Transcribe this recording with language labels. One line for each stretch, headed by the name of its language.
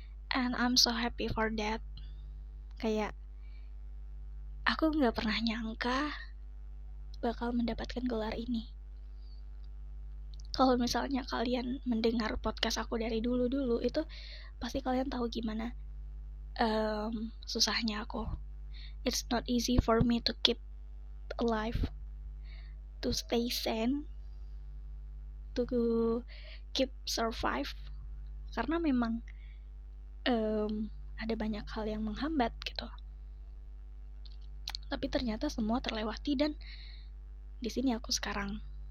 English: And I'm so happy for that.
Indonesian: Kayak, aku gak pernah nyangka bakal mendapatkan gelar ini. Kalau misalnya kalian mendengar podcast aku dari dulu-dulu, itu pasti kalian tahu gimana susahnya aku.
English: It's not easy for me to keep alive, to stay sane, to keep survive.
Indonesian: Karena memang ada banyak hal yang menghambat gitu. Tapi ternyata semua terlewati dan di sini aku sekarang.